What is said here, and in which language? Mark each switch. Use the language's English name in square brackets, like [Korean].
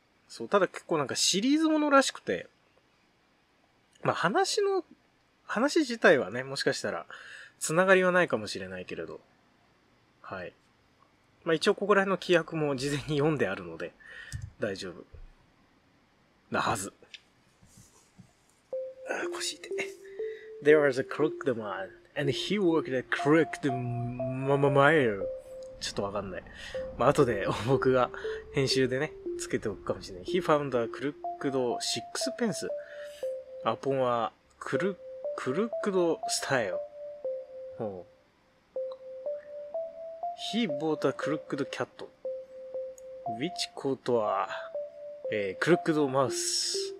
[Japanese] そう、ただ結構なんかシリーズものらしくて、まあ話自体はね、もしかしたらつながりはないかもしれないけれど、はい。まあ一応ここら辺の規約も事前に読んであるので、大丈夫。なはず。腰痛い。 [English] There was a crooked man, and he worked a crooked mile. [Japanese] ちょっとわかんない。まあ、後で僕が編集でね、つけておくかもしれない。 [English] He found a crooked sixpence upon a crooked style. [Japanese] ほう。 [English] He bought a crooked cat, which caught a crooked mouse.